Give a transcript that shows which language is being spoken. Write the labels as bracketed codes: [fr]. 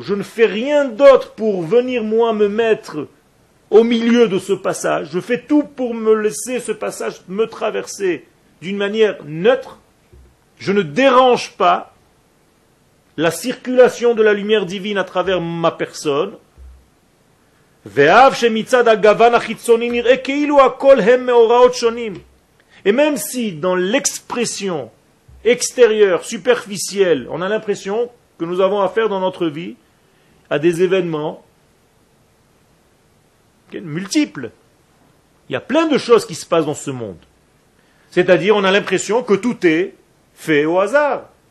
[fr] Je ne fais rien d'autre pour venir moi me mettre au milieu de ce passage. Je fais tout pour me laisser ce passage me traverser. D'une manière neutre, je ne dérange pas la circulation de la lumière divine à travers ma personne. [he] ואף שמצד הגוון החיצוני נראה כאילו הכל הם מאורעות שונים. [fr] Et même si dans l'expression extérieure, superficielle, on a l'impression que nous avons affaire dans notre vie à des événements multiples. Il y a plein de choses qui se passent dans ce monde. C'est-à-dire, on a l'impression que tout est fait au hasard.